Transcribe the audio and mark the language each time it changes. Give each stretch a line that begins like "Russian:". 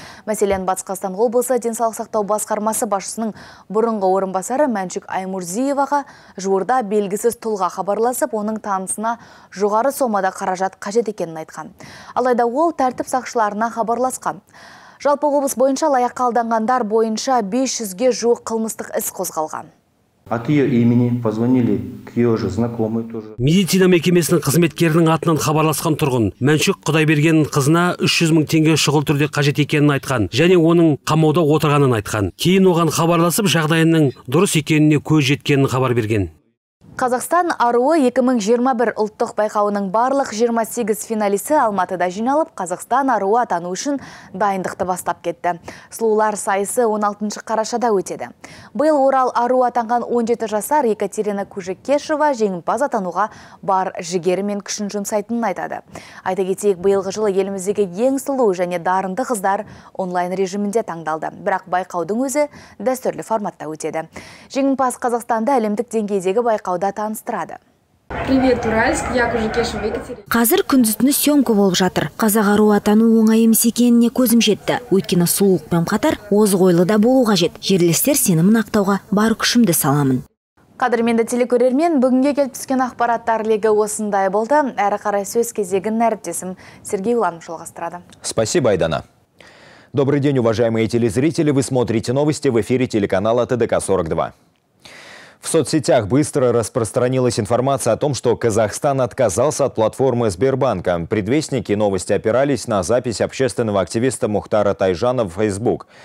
Kazakh: Мәселен, Батыс Қазақстан облысы денсаулық сақтау басқармасы басшысының бұрынғы орынбасары Мәншүк Аймұрзиеваға жуырда белгісіз тұлға хабарласып, оның танысына жоғары сомада қаражат қажет екенін айтқан. Алайда ол тәртіп сақшыларына хабарласқан. Жалпы облыс бойынша алаяққа алданғандар бойынша 500-ге жуық қылмыстық іс қозғалған.
Russian: От ее имени позвонили к ее же знакомой тоже.
Kazakh: Медицина мекемесінің қызметкерінің атынан хабарласқан тұрғын Мәншүк Құдайбергенін қызына 300 мың теңге шұғыл түрде қажет екенін айтқан, және оның қамауда отырғанын айтқан. Кейін оған хабарласып, жағдайының дұрыс екеніне көз жеткенін хабар берген. Қазақстан аруы 2021 ұлттық байқауының барлық 28 финалисі Алматыда жиналып, Қазақстан аруы атану үшін дайындықты бастап кетті. Сұлулар сайысы 16 қарашада өтеді. Бұл Орал аруы атанған 17 жасар Екатерина Кужекешова жеңімпаз атануға бар жігері мен күшін жұмсайтынын айтады. Айта кетейік, биылғы жылы еліміздегі ең сұлу және дарынды қыздар онлайн режимінде таңдалды. Бірақ байқаудың өзі дәстүрлі форматта өтеді. Жеңімпаз Қазақстанды әлемдік деңгейдегі байқау таныстырады.
Russian: Привет, Уральск, я Кужекешова Екатерина.
Kazakh: Қазір күндізтіні сөмкі болып жатыр. Қазақ ару атану оңай емес екеніне көзім жетті. Өйткені сұлулықпен қатар озық ойлы да болуға жет. Жерлестер сенімін ақтауға бар күшімді саламын. Қадірменді телекөрермен, бүгінге келіп түскен ақпараттар легі осындай болды. Әрі қарай сөз кезегін әріптесім Сергей Уланов жалғастырады.
Russian: Спасибо, Айдана. Добрый день, уважаемые телезрители. Вы смотрите новости в эфире телеканала ТДК-42. В соцсетях быстро распространилась информация о том, что Казахстан отказался от платформы Сбербанка. Предвестники новости опирались на запись общественного активиста Мухтара Тайжана в Facebook.